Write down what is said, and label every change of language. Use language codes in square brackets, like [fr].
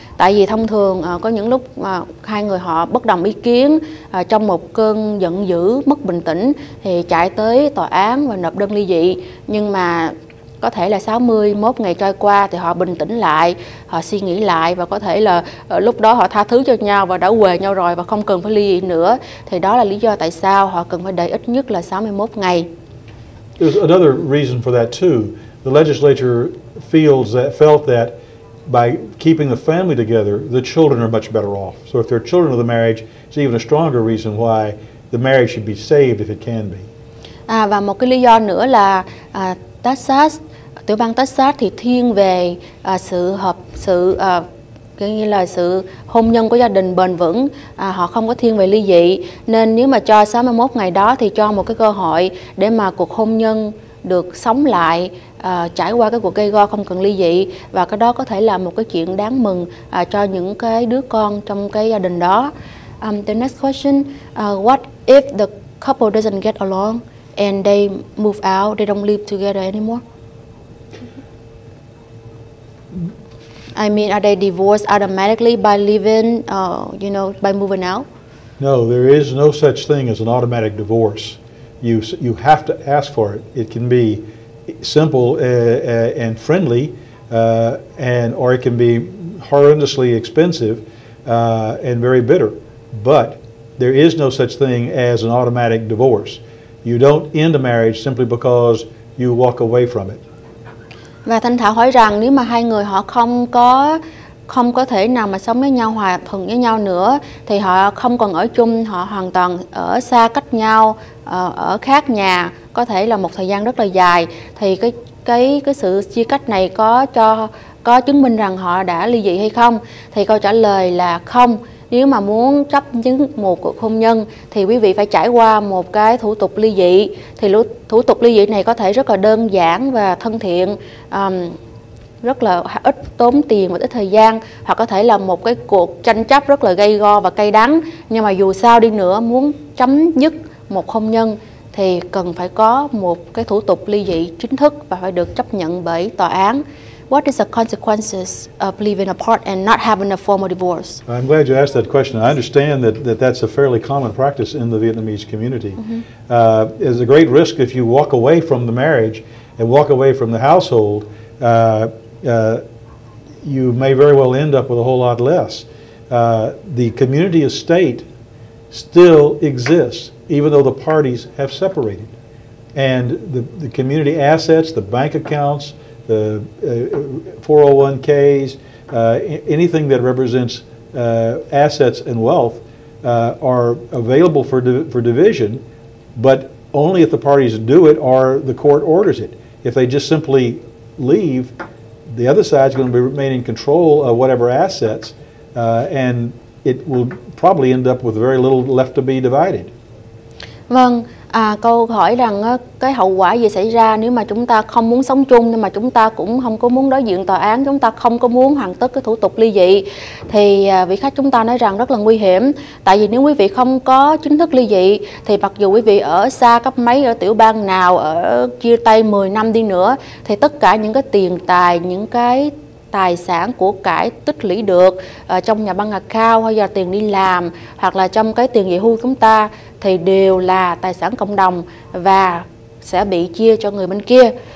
[vi] Tại vì thông thường có những lúc mà hai người họ bất đồng ý kiến, trong một cơn giận dữ, mất bình tĩnh thì chạy tới tòa án và nộp đơn ly dị. Nhưng mà có thể là 61 ngày trôi qua thì họ bình tĩnh lại, họ suy nghĩ lại và có thể là lúc đó họ tha thứ cho nhau và đã huề nhau rồi và không cần phải ly dị nữa. Thì đó là lý do tại sao họ cần phải đợi ít nhất là 61 ngày. [en] There's another reason for that too. The legislature felt that by keeping the family together, the children are much better off. So if they're children of the marriage, it's even a stronger reason why the marriage should be saved if it can be. [vi] Và một cái lý do nữa là Texas, tiểu bang Texas thì thiên về sự hôn nhân của gia đình bền vững, họ không có thiên về ly dị. Nên nếu mà cho 61 ngày đó thì cho một cái cơ hội để mà cuộc hôn nhân được sống lại, trải qua cái cuộc gây go không cần ly dị, và cái đó có thể là một cái chuyện đáng mừng cho những cái đứa con trong cái gia đình đó. [en] The next question, what if the couple doesn't get along and they move out, they don't live together anymore? I mean, are they divorced automatically by living, by moving out? No, there is no such thing as an automatic divorce. You have to ask for it. It can be simple and friendly, or it can be horrendously expensive and very bitter. But there is no such thing as an automatic divorce. You don't end a marriage simply because you walk away from it. [vi] Và Thanh Thảo hỏi rằng nếu mà hai người họ không có thể nào mà sống với nhau hòa thuận với nhau nữa, thì họ không còn ở chung, họ hoàn toàn ở xa cách nhau, ở khác nhà, có thể là một thời gian rất là dài, thì cái sự chia cách này có chứng minh rằng họ đã ly dị hay không? Thì câu trả lời là không. Nếu mà muốn chấp nhận một cuộc hôn nhân thì quý vị phải trải qua một cái thủ tục ly dị. Thì thủ tục ly dị này có thể rất là đơn giản và thân thiện, rất là ít tốn tiền và ít thời gian, hoặc có thể là một cái cuộc tranh chấp rất là gay go và cay đắng. Nhưng mà dù sao đi nữa, muốn chấm dứt một hôn nhân thì cần phải có một cái thủ tục ly dị chính thức và phải được chấp nhận bởi tòa án. [en] What is the consequences of living apart and not having a formal divorce? I'm glad you asked that question. I understand that that's a fairly common practice in the Vietnamese community. Mm-hmm. There's a great risk if you walk away from the marriage and walk away from the household. You may very well end up with a whole lot less. The community estate still exists, even though the parties have separated. And the community assets, the bank accounts, the 401ks, anything that represents assets and wealth are available for division, but only if the parties do it or the court orders it. if they just simply leave, the other side's going to be remain in control of whatever assets, and it will probably end up with very little left to be divided. [vi] Vâng, à, câu hỏi rằng cái hậu quả gì xảy ra nếu mà chúng ta không muốn sống chung nhưng mà chúng ta cũng không có muốn đối diện tòa án, chúng ta không có muốn hoàn tất cái thủ tục ly dị, thì vị khách chúng ta nói rằng rất là nguy hiểm. Tại vì nếu quý vị không có chính thức ly dị thì mặc dù quý vị ở xa cấp mấy, ở tiểu bang nào, ở chia tay 10 năm đi nữa, thì tất cả những cái tiền tài, những cái tài sản của cải tích lũy được trong nhà băng account hay là tiền đi làm hoặc là trong cái tiền dị hưu chúng ta thì đều là tài sản cộng đồng và sẽ bị chia cho người bên kia.